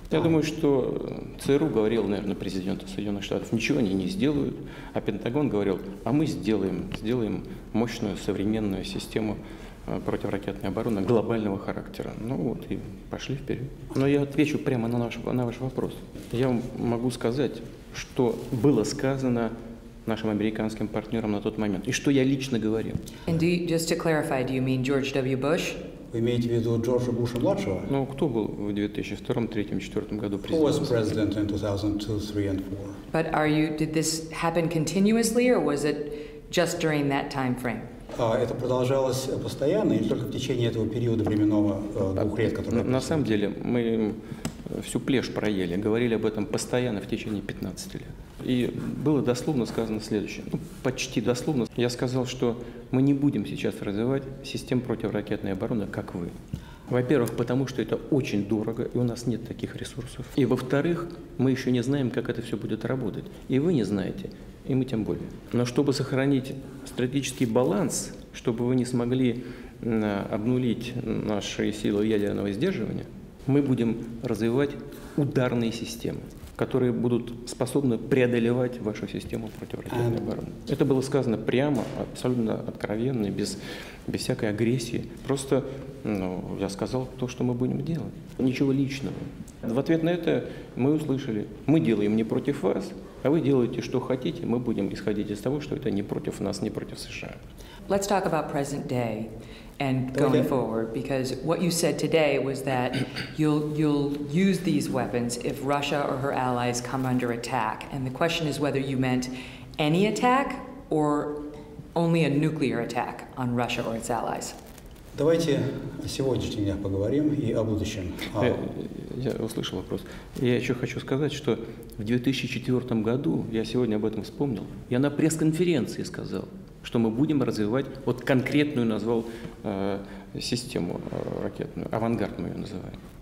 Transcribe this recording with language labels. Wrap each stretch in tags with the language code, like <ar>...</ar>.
<ru>Я думаю, что ЦРУ говорил, наверное, президенту Соединенных Штатов, ничего они не сделают, а Пентагон говорил, а мы сделаем мощную современную систему противоракетной обороны глобального характера. Ну вот и пошли вперед. Но я отвечу прямо на ваш вопрос. Я могу сказать, что было сказано нашим американским партнерам на тот момент, и что я лично говорил.</ru> <en>And do you, just to clarify, do you mean George W. Bush?</en> <ru>Вы имеете в виду Джорджа Буша-младшего? Ну, кто был в 2002, 3, 4 году президентом?</ru> <en>Who was president in 2002, 3 and 4? But are you, did this happen continuously, or was it just during that time frame?</en> <ru>Это продолжалось постоянно, или только в течение этого периода временного двух лет, который... На самом деле, мы всю плешь проели, говорили об этом постоянно в течение 15 лет. И было дословно сказано следующее, ну, почти дословно. Я сказал, что мы не будем сейчас развивать систему противоракетной обороны, как вы. Во-первых, потому что это очень дорого, и у нас нет таких ресурсов. И во-вторых, мы еще не знаем, как это все будет работать. И вы не знаете, и мы тем более. Но чтобы сохранить стратегический баланс, чтобы вы не смогли обнулить наши силы ядерного сдерживания, мы будем развивать ударные системы, которые будут способны преодолевать вашу систему противоракетной обороны. Это было сказано прямо, абсолютно откровенно, без всякой агрессии. Просто я сказал то, что мы будем делать. Ничего личного. В ответ на это мы услышали, мы делаем не против вас, а вы делаете, что хотите, мы будем исходить из того, что это не против нас, не против США.</ru> <en>Let's talk about present day and going forward, because what you said today was that you'll use these weapons if Russia or her allies come under attack. And the question is whether you meant any attack or only a nuclear attack on Russia or its allies.</en> <ru>Давайте о сегодняшнем дне поговорим и о будущем. Я услышал вопрос. Я еще хочу сказать, что в 2004 году, я сегодня об этом вспомнил, я на пресс-конференции сказал, что мы будем развивать вот конкретную, назвал, систему ракетную, «Авангард» мы ее называем.</ru>